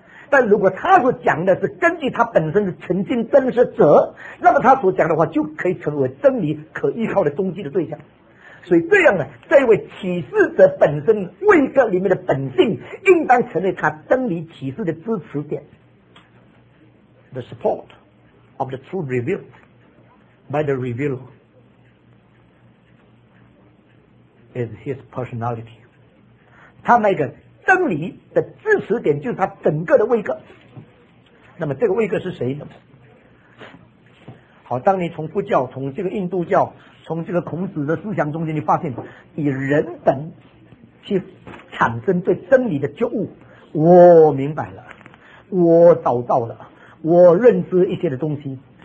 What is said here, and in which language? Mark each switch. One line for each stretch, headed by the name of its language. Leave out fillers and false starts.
Chinese: 但如果他所讲的是根据他本身的曾经真实者，那么他所讲的话就可以成为真理可依靠的终极的对象。所以这样呢，这位启示者本身位格里面的本性应当成为他真理启示的支持点。
English: the support of the truth revealed by the revealer is his personality.
Chinese: 他那个真理的支持点就是他整个的位格。那么这个位格是谁呢？好，当你从佛教，从这个印度教，从这个孔子的思想中间，你发现以人本去产生对真理的觉悟，我明白了，我找到了，我认知一些的东西。